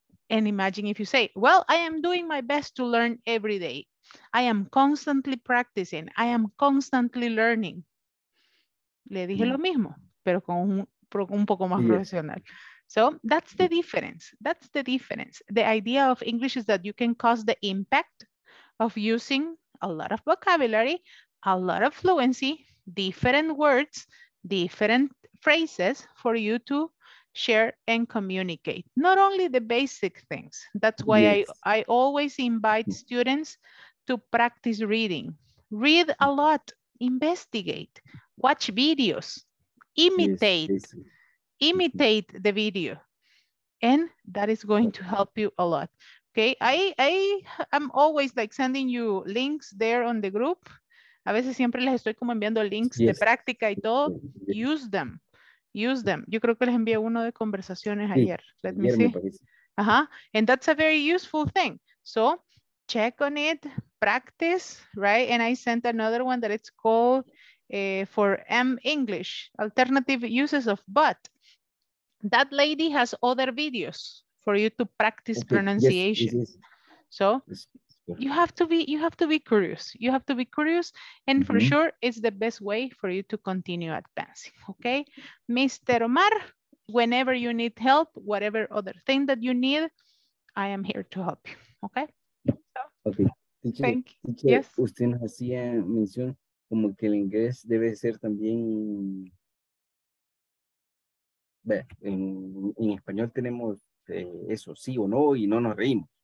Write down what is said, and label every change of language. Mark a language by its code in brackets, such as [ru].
[en] And imagine if you say, well, I am doing my best to learn every day. I am constantly practicing. I am constantly learning. [es] Le dije lo mismo, pero con un poco más profesional. [en] So that's the difference. That's the difference. The idea of English is that you can cause the impact of using a lot of vocabulary, a lot of fluency, different words, different phrases for you to share and communicate. Not only the basic things. That's why I always invite students to practice reading. Read a lot, investigate, watch videos, imitate. Imitate the video, and that is going to help you a lot. Okay, I'm always like sending you links there on the group. [es] A veces siempre les estoy como enviando links de práctica y todo. [en] Use them. [es] Yo creo que les envié uno de conversaciones ayer. [en] Let me see. And that's a very useful thing. So check on it, practice, right? And I sent another one that it's called for M English, alternative uses of but. That lady has other videos for you to practice pronunciation. You have to be curious. You have to be curious. And for sure, it's the best way for you to continue advancing. Okay. Mr. Omar, whenever you need help, whatever other thing that you need, I am here to help you. Okay. [es] Usted nos hacía mención como que el inglés debe ser también... En español tenemos eso, sí o no, y no nos reímos.